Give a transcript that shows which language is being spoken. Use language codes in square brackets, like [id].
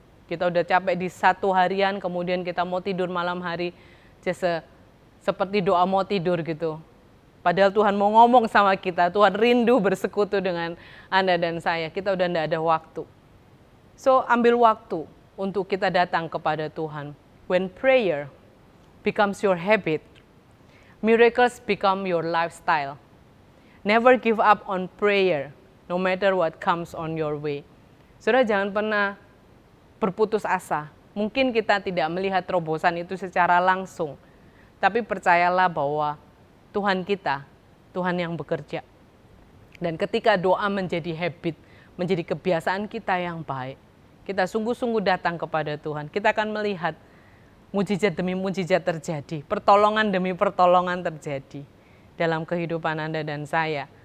[id] Kita udah capek di satu harian, kemudian kita mau tidur malam hari, seperti doa mau tidur gitu. Padahal Tuhan mau ngomong sama kita, Tuhan rindu bersekutu dengan Anda dan saya. Kita udah enggak ada waktu. So, ambil waktu untuk kita datang kepada Tuhan. [en] When prayer becomes your habit, miracles become your lifestyle. Never give up on prayer, no matter what comes on your way. [id] Saudara, jangan pernah berputus asa. Mungkin kita tidak melihat terobosan itu secara langsung. Tapi percayalah bahwa Tuhan kita, Tuhan yang bekerja. Dan ketika doa menjadi habit, menjadi kebiasaan kita yang baik, kita sungguh-sungguh datang kepada Tuhan, kita akan melihat mujizat demi mujizat terjadi, pertolongan demi pertolongan terjadi dalam kehidupan Anda dan saya.